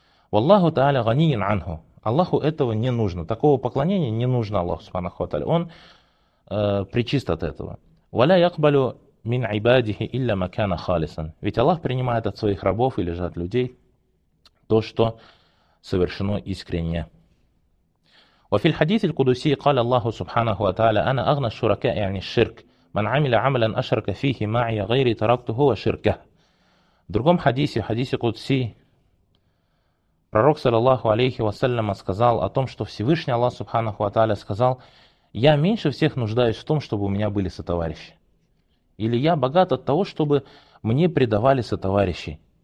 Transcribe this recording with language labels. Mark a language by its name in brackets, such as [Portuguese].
[Arabic] Валлаху тааля ганиин анху. [Russian] Аллаху этого не нужно, такого поклонения не нужно Аллаху субханаху ва тааля. Он причист от этого. [Arabic] Валя якбалю мин ибадихи илля макана халисан. [Russian] Ведь Аллах принимает от своих рабов или же от людей то, что совершено искренне. [Arabic] وفي الحديث القدسي قال الله سبحانه وتعالى أنا أغنى الشركاء يعني الشرك من عمل عملا أشرك فيه معي غيري تركته وشركه. [Russian] В другом хадисе, в хадисе Кудси, пророк саллаллаху алейхи вассалям сказал о том, что Всевышний Аллах субханаху ва тааля сказал: «Я меньше всех нуждаюсь в том, чтобы у меня были сотоварищи». Или: «Я богат от того, чтобы мне предавали сотоварищи».